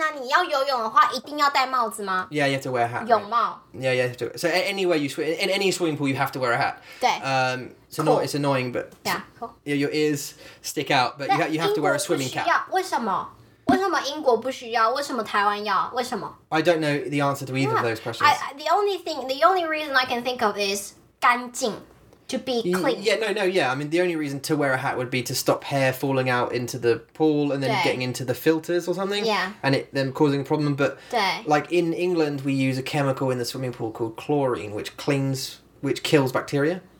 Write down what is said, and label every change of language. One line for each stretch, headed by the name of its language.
Chinese: 游泳很奇怪的。我想你的游泳很奇怪。很好笑吗？哦，你知道在台湾呢，你要游泳的话一定要戴帽子吗?
English: Yeah, you have to wear a hat.
Chinese: 泳帽。Yeah,
English: you have to. So anywhere you swim, in any swimming pool, you have to wear a hat. 对。So cool. It's annoying, but... Yeah, cool. Yeah, your ears stick out, but you have to wear a swimming cap.
Chinese: 为什么? 为什么英国不需要？为什么台湾要？为什么？
English: I don't know the answer to either of those questions. The only reason I can think of is 干净, to be clean. Yeah. I mean, the only reason to wear a hat would be to stop hair falling out into the pool and then getting into the filters or something. Yeah. And it then causing a problem. But like in England, we use a chemical in the swimming pool called chlorine, which kills bacteria.